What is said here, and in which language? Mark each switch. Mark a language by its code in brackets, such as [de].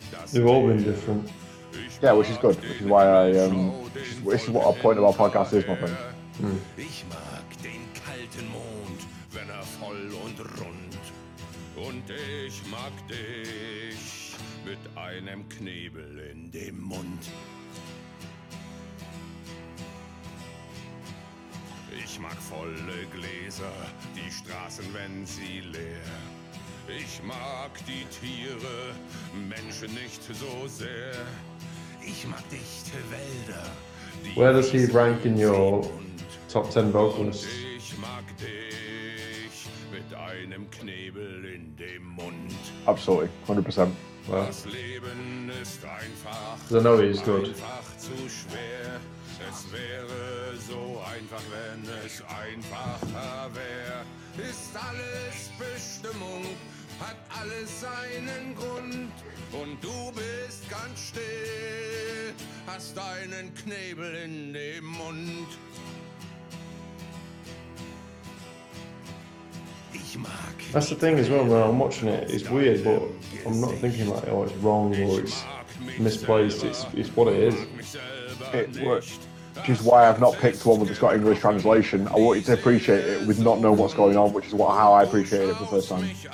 [en] They've all been different. Yeah, which is good. Which is why I this is what our point of our podcast is, my friend. [de] Ich mag den kalten Mond, wenn voll und rund. Und ich mag dich mit einem Knebel in dem Mund. Ich mag volle Gläser, die Straßen, wenn sie leer. Ich mag die Tiere, Menschen nicht so sehr. Ich mag dichte Wälder. [en] Where does he rank in your top 10 vocalists? [de] Ich mag dich mit einem Knebel in dem Mund. [en] Absolutely, 100%. Wow. [de] Das Leben ist einfach. [en] I know he's good. [de] Einfach zu schwer. Es wäre so einfach, wenn es einfacher wäre. Ist alles Bestimmung, hat alles seinen Grund. Und du bist ganz still, hast deinen Knebel in dem Mund. Ich mag. [en] That's the thing as well, when I'm watching it, it's weird, but I'm not thinking like, oh, it's wrong or it's misplaced. It's what it is. It worked. Which is why I've not picked one with the Scott English translation. I want you to appreciate it with not knowing what's going on, which is how I appreciated it the first time.